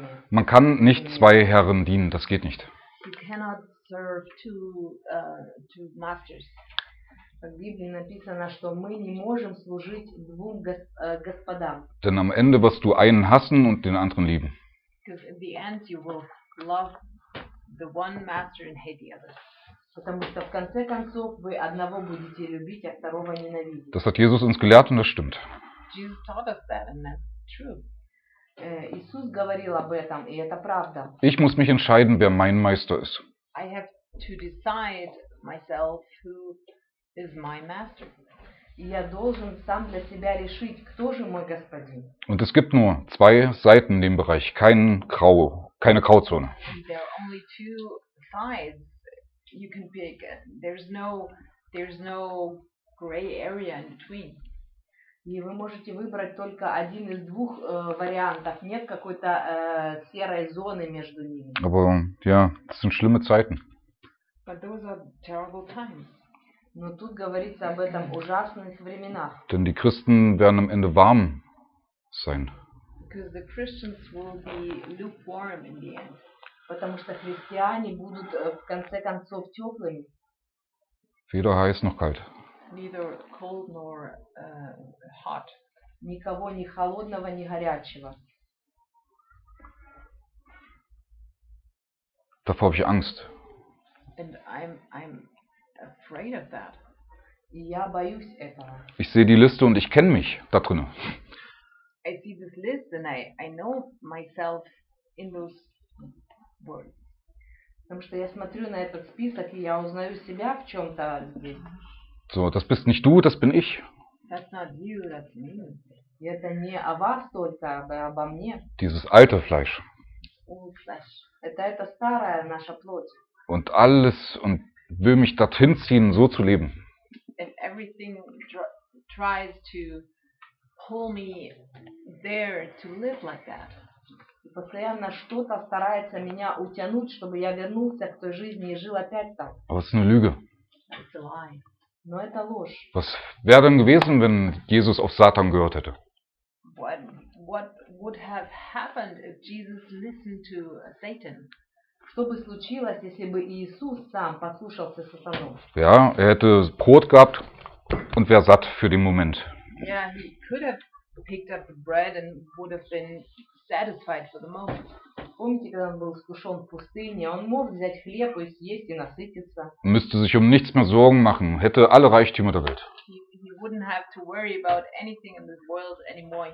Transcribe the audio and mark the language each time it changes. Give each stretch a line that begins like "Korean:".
German: Man kann nicht zwei Herren dienen, das geht nicht.
English: You cannot serve two masters.
Russian: В Библии написано, что мы не можем служить двум господам.
German: Denn am Ende wirst du einen hassen und den anderen lieben.
English: Because in the end you will love the one master and hate the other.
Russian: Потому что в конце концов вы одного будете любить, а второго ненавидеть.
German: Das hat Jesus uns gelehrt und das stimmt.
English: Jesus taught us that and that's true.
Russian: Иисус говорил об этом, и это правда.
German: Ich muss mich entscheiden, wer mein Meister ist.
English: I have to decide myself who is my master.
Russian: Я должен сам для себя решить, кто же мой господин.
German: Und es gibt nur zwei Seiten in dem Bereich, keine Grauzone.
English: There are only two sides you can pick. There's no gray area in between.
Russian: И вы можете выбрать только один из двух вариантов. Нет какой-то серой зоны между ними.
German: Aber ja, das sind schlimme Zeiten.
English: But those are terrible times.
Russian: Но тут говорится об этом ужасных временах.
German: Denn die Christen werden am Ende warm sein.
English: Because the Christians will be lukewarm in the end.
Russian: Потому что христиане будут в конце концов теплыми.
German: Weder heiß noch kalt.
English: Neither cold nor hot.
Russian: Никого ни холодного, ни горячего.
German: Davor habe ich Angst.
English: And I'm afraid of that.
Russian: Я боюсь этого.
German: Ich sehe die Liste und ich kenne mich da drin.
English: I see this list and I know myself in those words.
Russian: Потому что я смотрю на этот список и я узнаю себя в чем-то здесь.
German: So, das bist nicht du, das bin ich.
English: That's not you, that's me.
Russian: Это не о вас только, а обо мне.
German: Dieses alte Fleisch.
English: Old flesh.
Russian: Это старая наша плоть.
German: Und alles und will mich dorthin ziehen, so zu leben.
English: And everything tries to pull me there to live like that.
Russian: И постоянно что-то старается меня утянуть, чтобы я вернулся к той жизни и жил опять там.
German: Aber es ist eine Lüge.
English: It's a lie.
Russian: Но это ложь.
German: Was wäre denn gewesen, wenn Jesus auf Satan gehört hätte?
English: What would have happened if Jesus listened to Satan?
Russian: Что бы случилось, если бы Иисус сам послушался сатану?
German: Ja, er hätte Brot gehabt und wäre satt für den Moment.
English: Yeah, he could have picked up the bread and would have been satisfied for the moment.
Russian: Помните, когда он был искушен в пустыне, он мог взять хлеб и съесть и насытиться.
German: Müsste sich nichts mehr Sorgen machen, hätte alle Reichtümer der Welt.
English: He wouldn't have to worry about anything in this world anymore.